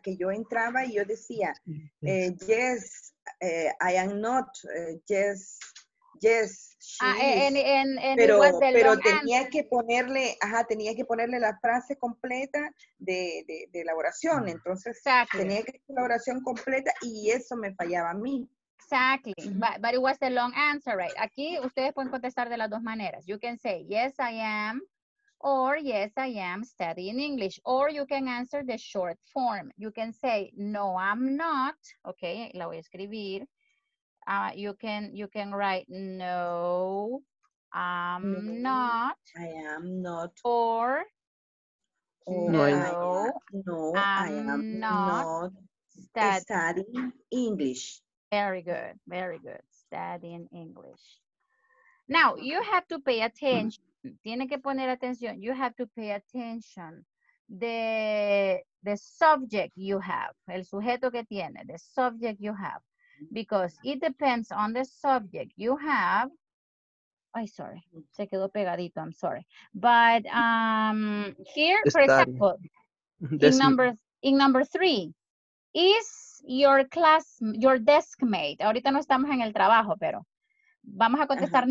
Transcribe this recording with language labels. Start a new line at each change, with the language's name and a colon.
Spanish: Que yo entraba y yo decía, yes, I am not, yes, tenía que ponerle la frase completa de la oración, entonces exactly. tenía que hacer la oración completa y eso me fallaba a mí.
English: Exactly, but it was the long answer, right?
Spanish: Aquí ustedes pueden contestar de las dos maneras.
English: You can say, yes, I am, or yes, I am studying English, or you can answer the short form. You can say, no, I'm not, okay, la voy a escribir. You can write, no, I'm not. I am not. Or, no, I am not studying English. Very good, very good. Studying English. Now, you have to pay attention. Tiene que poner atención. You have to pay attention. The subject you have, el sujeto que tiene, the subject you have. Because it depends on the subject you have. Ay, sorry. Se quedó pegadito. I'm sorry. But here, for example, in number three, is your class, your desk mate?
Spanish: Ahorita no estamos en el trabajo, pero vamos a contestar uh-huh.